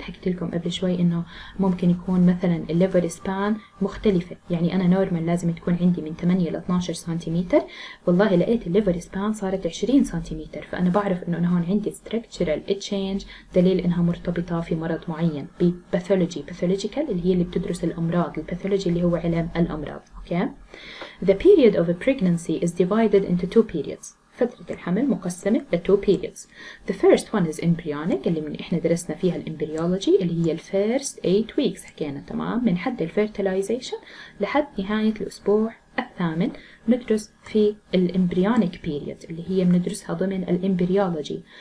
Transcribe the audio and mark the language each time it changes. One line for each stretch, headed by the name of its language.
Arabic: حكيت لكم قبل شوي انه ممكن يكون مثلا الليفر سبان مختلفه، يعني انا نورمال لازم تكون عندي من 8 ل 12 سنتيمتر، والله لقيت الليفر سبان صارت 20 سنتيمتر، فانا بعرف انه انا هون عندي ستراكتشرال تشينج، دليل انها مرتبطه في مرض معين. باثولوجي باثولوجيكال اللي هي اللي بتدرس الامراض، الباثولوجي اللي هو علم الامراض.
English: The period of a pregnancy is divided into two periods.
Arabic: فترة الحمل مقسمة ل two periods.
English: The first one is embryonic
Arabic: اللي من إحنا درسنا فيها الإمبريولوجي اللي هي
English: first 8 weeks
Arabic: حكينا. تمام. من حد fertilization لحد نهاية الأسبوع الثامن ندرس في الإمبريونيك period اللي هي مندرسها ضمن الإمبريولوجي.